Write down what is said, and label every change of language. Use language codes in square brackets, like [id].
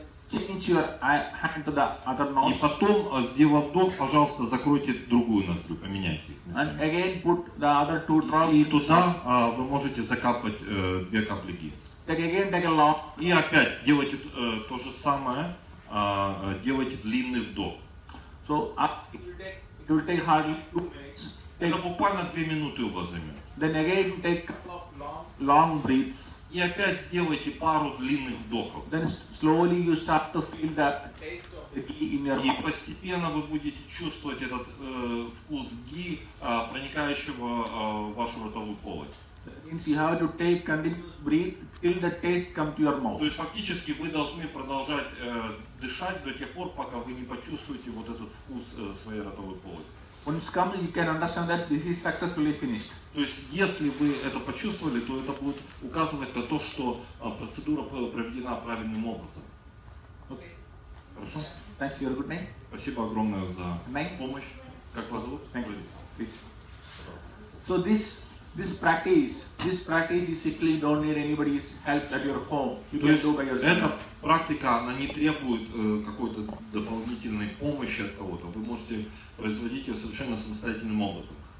[en] Change your hand to the other nose. [ru] И потом, сделав вдох, пожалуйста, закройте другую ноздрю, поменяйте их местами. [en] And again put the other two drops. [ru] И туда вы можете закапать две капли ги. И опять делайте то же самое, делайте длинный вдох. [en] So it will take hardly 2 minutes. [ru] Это буквально 2 минуты у вас займет. [en] Then again take couple of long breaths. [ru] и опять сделайте пару длинных вдохов. [en] Then slowly you start to feel that taste of ghee in your mouth. [ru] И постепенно вы будете чувствовать этот вкус ghee, проникающего в вашу ротовую полость. [en] Means you have to take continuous breath till the taste comes to your mouth. [ru] То есть фактически вы должны продолжать дышать до тех пор, пока вы не почувствуете вот этот вкус своей ротовой полости. [en] Once it comes, you can understand that this is successfully finished. [ru] То есть если вы это почувствовали, то это будет указывать на то, что процедура проведена правильным образом. Хорошо. [en] Thanks for your good name. [ru] Спасибо огромное за помощь. Как вас зовут? [en] Thank you. Please. So This practice is simply don't need anybody's help at your home. You can do by yourself. [ru] Эта практика, она не требует какой-то дополнительной помощи от кого-то. Вы можете производить ее совершенно самостоятельным образом.